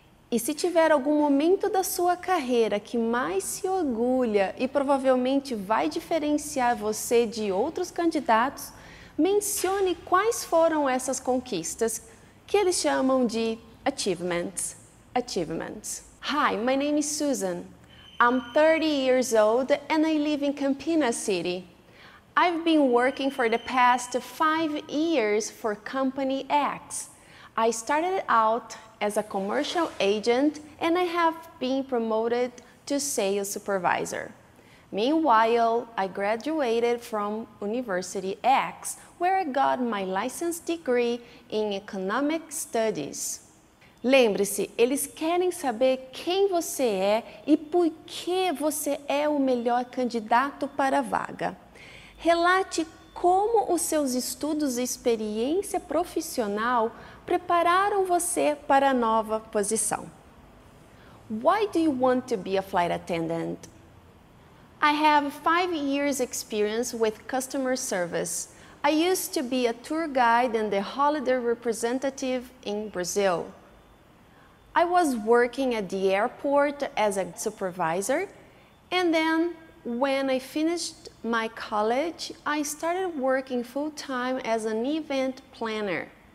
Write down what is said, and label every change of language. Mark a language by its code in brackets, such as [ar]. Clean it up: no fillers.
[pt] E se tiver algum momento da sua carreira que mais se orgulha e provavelmente vai diferenciar você de outros candidatos, mencione quais foram essas conquistas, que eles chamam de achievements. [en] Hi, my name is Susan. I'm 30 years old and I live in Campinas City. I've been working for the past 5 years for Company X. I started out as a commercial agent and I have been promoted to sales supervisor. Meanwhile, I graduated from University X, where I got my license degree in economic studies. [pt] Lembre-se, eles querem saber quem você é e por que você é o melhor candidato para a vaga. Relate como os seus estudos e experiência profissional prepararam você para a nova posição. [en] Why do you want to be a flight attendant? I have 5 years experience with customer service. I used to be a tour guide and the holiday representative in Brazil. I was working at the airport as a supervisor and then when I finished my college, I started working full-time as an event planner.